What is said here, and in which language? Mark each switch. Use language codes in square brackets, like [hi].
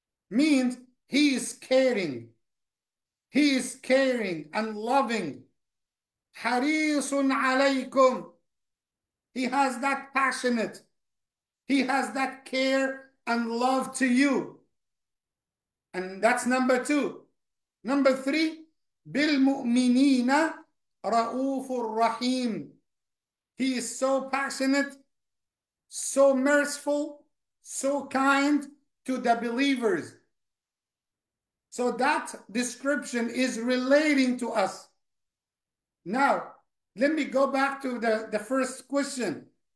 [en] Means he is caring. He is caring and loving. [ar] حَرِيصٌ عَلَيْكُمْ. [en] He has that passionate. He has that care and love to you. And that's number two. Number three, [ar] بِالْمُؤْمِنِينَ رَؤُوفُ الرَّحِيمُ. [en] He is so passionate, so merciful, so kind to the believers. So that description is relating to us. Now, let me go back to the first question.